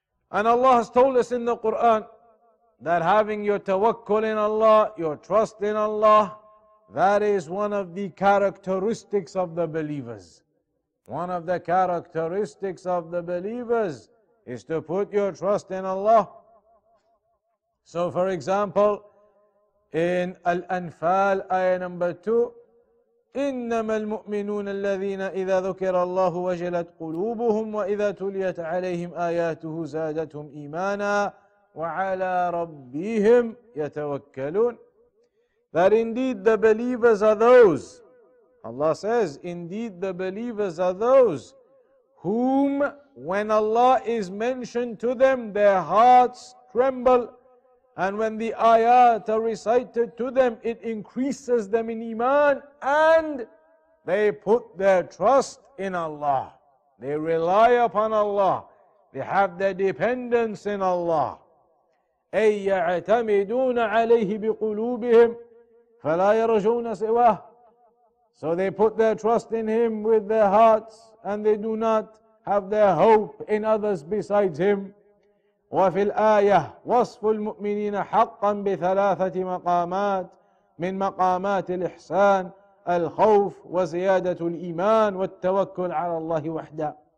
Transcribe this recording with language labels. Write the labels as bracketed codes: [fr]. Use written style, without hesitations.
[en] And Allah has told us in the Quran that having your tawakkul in Allah, your trust in Allah, that is one of the characteristics of the believers. One of the characteristics of the believers is to put your trust in Allah. So for example, in Al-Anfal, ayah number 2, [ar] إنما المؤمنون الذين إذا ذكر الله وجلت قلوبهم وإذا تليت عليهم آياته زادتهم إيمانا وعلى ربهم يتوكلون. [en] That indeed the believers are those, Allah says, indeed the believers are those whom when Allah is mentioned to them, their hearts tremble, and when the ayat are recited to them, it increases them in iman, and they put their trust in Allah. They rely upon Allah. They have their dependence in Allah. [ar] أَيْ يَعْتَمِدُونَ عَلَيْهِ بِقُلُوبِهِمْ فَلَا يَرْجُونَ سِوَهِ. [en] So they put their trust in Him with their hearts, and they do not have their hope in others besides Him. [ar] وفي الآية وصف المؤمنين حقا بثلاثة مقامات من مقامات الإحسان الخوف وزيادة الإيمان والتوكل على الله وحده.